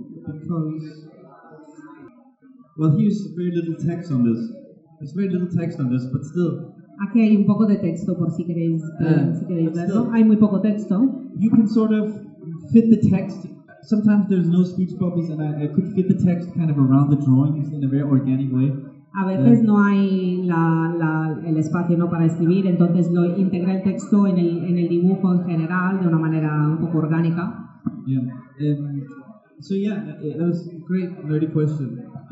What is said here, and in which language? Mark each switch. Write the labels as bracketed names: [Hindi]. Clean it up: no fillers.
[English] Because, well, here's very little text on this. There's very little text on this, but still. [Spanish] Aquí hay un poco de texto por si queréis verlo. Hay muy poco texto. [English] You can sort of fit the text. Sometimes there's no speech bubbles, and I could fit the text kind of around the drawings in a very organic way. [Spanish] A veces no hay el espacio, ¿no?, para escribir, entonces lo integra el texto en el dibujo en general de una manera un poco orgánica. [English] Yeah. So yeah, that was a great nerdy question.